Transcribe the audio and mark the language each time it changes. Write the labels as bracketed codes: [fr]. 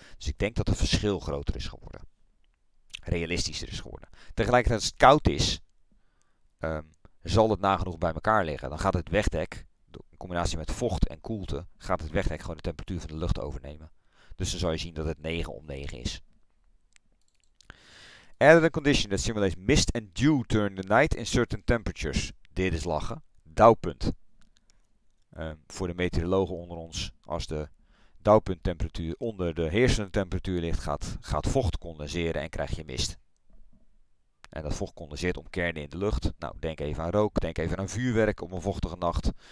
[nl] Dus ik denk dat het verschil groter is geworden. Realistischer is geworden. Tegelijkertijd als het koud is, zal het nagenoeg bij elkaar liggen. Dan gaat het wegdek, in combinatie met vocht en koelte, gaat het wegdek gewoon de temperatuur van de lucht overnemen. Dus dan zal je zien dat het 9 om 9 is. [en] Added a condition that simulates mist and dew during the night in certain temperatures. [nl] Dit is lachen. Dauwpunt. Voor de meteorologen onder ons, als de dauwpunttemperatuur onder de heersende temperatuur ligt, gaat vocht condenseren en krijg je mist. En dat vocht condenseert om kernen in de lucht. Nou, denk even aan rook, denk even aan vuurwerk op een vochtige nacht.